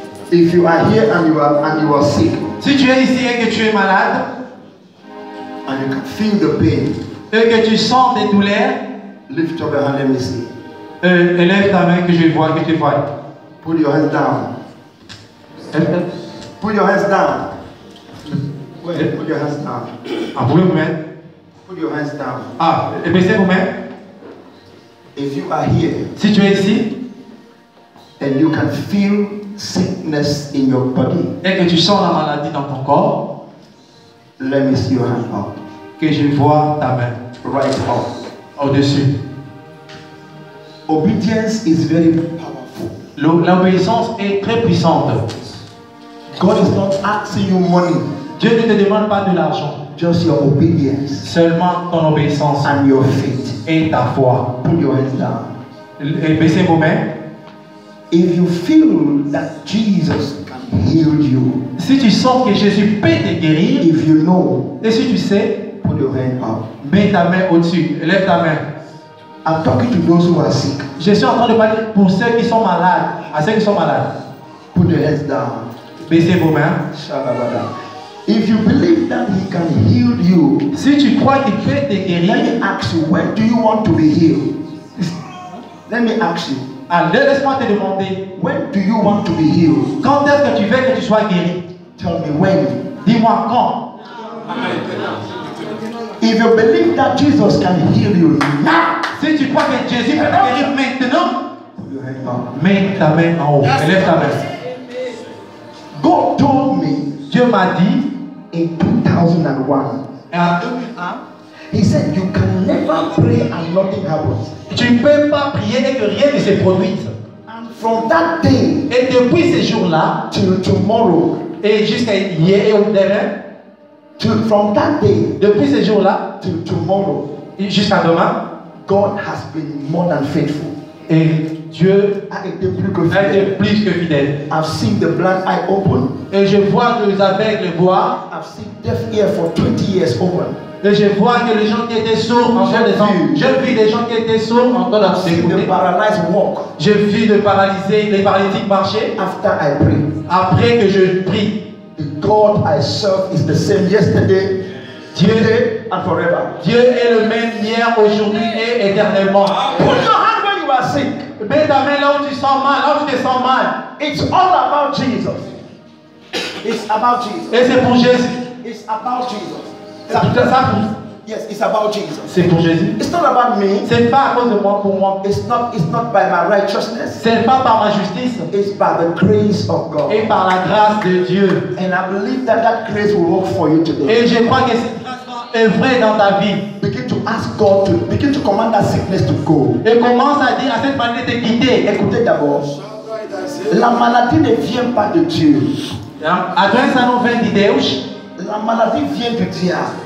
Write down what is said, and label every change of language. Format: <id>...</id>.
<en>If you are here and you are sick.</en> <fr>Si tu es ici et que tu es malade.</fr> <en>And you can feel the pain.</en> <fr>Et que tu sens des douleurs.</fr> <en>Lift up your hand, let me see.</en> <fr>Élève ta main que je vois, que tu vois.</fr> <en>Put your hand down. Put your hands down. Put your hands down.</en> <fr>Ah, vous pouvez.</fr> <en>Put your hands down.</en> <fr>Ah, et baissez vos mains.</fr> <en>If you are here,</en> <fr>si tu es ici,</fr> <en>and you can feel sickness in your body,</en> <fr>et que tu sens la maladie dans ton corps,</fr> <en>let me see your hand up.</en> <fr>Que je vois ta main.</fr> <en>Right up.</en> <fr>Au dessus.</fr> <en>Obedience is very powerful.</en> <fr>L'obéissance est très puissante.</fr> <en>God is not asking you money.</en> <fr>Dieu ne te demande pas de l'argent.</fr> <en>Just your obedience.</en> <fr>Seulement ton obéissance.</fr> <en>And your faith.</en> <fr>Et ta foi.</fr> <en>Put your hands down.</en> <fr>Et baissez vos mains.</fr> <en>If you feel that Jesus can heal you.</en> <fr>Si tu sens que Jésus peut te guérir.</fr> <en>If you know.</en> <fr>Et si tu sais.</fr> <en>Put your hand up.</en> <fr>Mets ta main au-dessus. Lève ta main.</fr> <en>I'm talking to those who are sick.</en> <fr>Je suis en train de parler pour ceux qui sont malades. À ceux qui sont malades.</fr> <en>Put your hands down.</en> <fr>Baissez vos mains. Shalabada.</fr> <en>If you believe that he can heal you,</en> <fr>si tu crois qu'il peut te guérir,</fr> <en>let me ask you, when do you want to be healed? Let me ask you.</en> <fr>Alors, laisse-moi te demander.</fr> <en>When do you want to be healed?</en> <fr>Quand est-ce que tu veux que tu sois guéri?</fr> <en>Tell me when.</en> <fr>Dis-moi quand.</fr> <en>If you believe that Jesus can heal you now,</en> <fr>si tu crois que Jésus peut te guérir maintenant, mets ta main en haut. Yes. Lève ta main.</fr> <en>God told me,</en> <fr>Dieu m'a dit,</fr> <en>in 2001, he said, you can never pray and nothing happens.</en> <fr>Tu ne peux pas prier et que rien ne se produise.</fr> <en>And from that day,</en> <fr>et depuis ce jour-là,</fr> <en>till tomorrow,</en> <fr>et jusqu'à hier et au demain,</fr> <en>from that day,</en> <fr>depuis ce jour-là,</fr> <en>till tomorrow,</en> <fr>et jusqu'à demain,</fr> <en>God has been more than faithful.</en> <fr>Et Dieu a été plus que fidèle.</fr> <en>I've seen the blind eye open.</en> <fr>Et je vois que les aveugles voient.</fr> <en>I've seen deaf ear for 20 years open.</en> <fr>Et je vois que les gens qui étaient sourds encore des ans. J'ai vu des gens qui étaient sourds encore d'écouter.</fr> <en>The paralyzed walk.</en> <fr>J'ai vu de paralysés, les paralytiques marcher.</fr> <en>After I pray.</en> <fr>Après que je prie.</fr> <en>The God I serve is the same yesterday, today, and forever.</en> <fr>Dieu est le même hier, aujourd'hui et éternellement.</fr> <en>Put your hand where you are sick.</en> <fr>Mets ta main là où tu sens mal, là où tu te sens mal.</fr> <en>It's all about Jesus. It's about Jesus.</en> <fr>Et c'est pour Jésus.</fr> <en>It's about Jesus.</en> <fr>C'est pour ça.</fr> <en>Yes, it's about Jesus.</en> <fr>C'est pour Jésus.</fr> <en>It's not about me.</en> <fr>C'est pas à cause de moi pour moi.</fr> <en>It's not by my righteousness.</en> <fr>C'est pas par ma justice.</fr> <en>It's by the grace of God.</en> <fr>Et par la grâce de Dieu.</fr> <en>And I believe that grace will work for you today.</en> <fr>Et je crois que cette grâce va œuvrer dans ta vie.</fr> <en>Begin to ask God to begin to command that sickness to go.</en> <fr>Et commence à dire à cette maladie de quitter. Écoutez d'abord. La maladie ne vient pas de Dieu. Adresse à nos vins de Dieu. La maladie vient du diable.</fr>